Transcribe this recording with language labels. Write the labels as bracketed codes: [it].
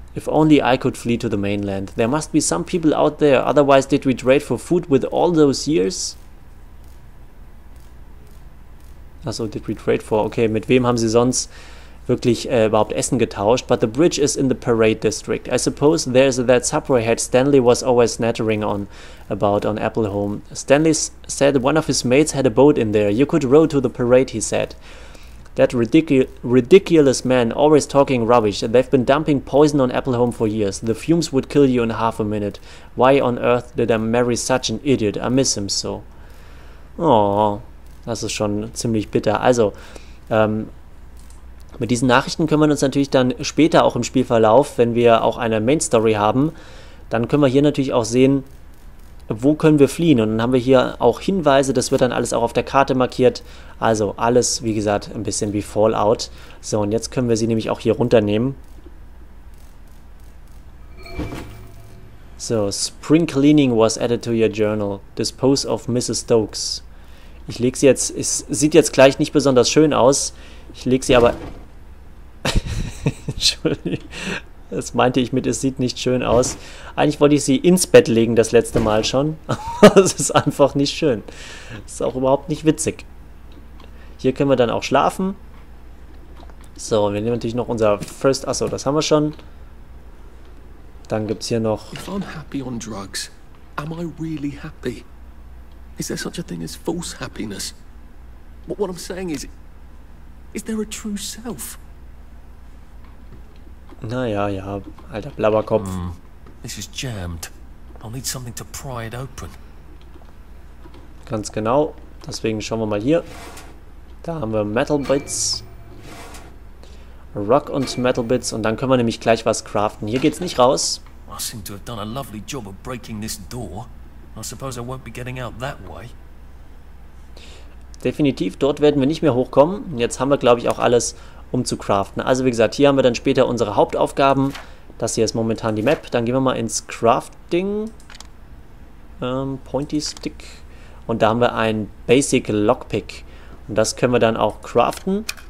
[en] If only I could flee to the mainland. There must be some people out there, otherwise did we trade for food with all those years? Achso, did we trade for? [de] Okay, mit wem haben sie sonst wirklich überhaupt Essen getauscht? [en] But the bridge is in the parade district. I suppose there's that subway head Stanley was always snattering on about on Apple Home. Stanley said one of his mates had a boat in there. You could row to the parade, he said. That ridiculous man always talking rubbish. They've been dumping poison on Apple Home for years. The fumes would kill you in half a minute. Why on earth did I marry such an idiot? I miss him so. [de] Oh, das ist schon ziemlich bitter. Also, mit diesen Nachrichten können wir uns natürlich dann später auch im Spielverlauf, wenn wir auch eine Main Story haben, dann können wir hier natürlich auch sehen, wo können wir fliehen? Und dann haben wir hier auch Hinweise, das wird dann alles auch auf der Karte markiert. Also alles, wie gesagt, ein bisschen wie Fallout. So, und jetzt können wir sie nämlich auch hier runternehmen. [en] So, Spring Cleaning was added to your journal. Dispose of Mrs. Stokes. [de] Ich lege sie jetzt, es sieht jetzt gleich nicht besonders schön aus. Ich lege sie aber... Entschuldigung. Das meinte ich mit, es sieht nicht schön aus. Eigentlich wollte ich sie ins Bett legen, das letzte Mal schon. Aber es ist einfach nicht schön. Das ist auch überhaupt nicht witzig. Hier können wir dann auch schlafen. So, wir nehmen natürlich noch unser First... Achso, das haben wir schon. Dann gibt es hier noch... [en] If I'm happy on drugs, am I really happy? Is there such a thing as false happiness? But what I'm saying is... Is there a true self? [de] Naja, ja, alter Blabberkopf. Mm. [en] This is jammed. I'll need something to pry it open. [de] Ganz genau. Deswegen schauen wir mal hier. Da haben wir Metal Bits. Rock und Metal Bits. Und dann können wir nämlich gleich was craften. Hier geht's nicht raus. [en] I seem to have done a lovely job of breaking this door. I suppose I won't be getting out that way. [de] Definitiv, dort werden wir nicht mehr hochkommen. Jetzt haben wir, glaube ich, auch alles, um zu craften. Also wie gesagt, hier haben wir dann später unsere Hauptaufgaben. Das hier ist momentan die Map. Dann gehen wir mal ins Crafting. Pointy Stick. Und da haben wir ein Basic Lockpick. Und das können wir dann auch craften.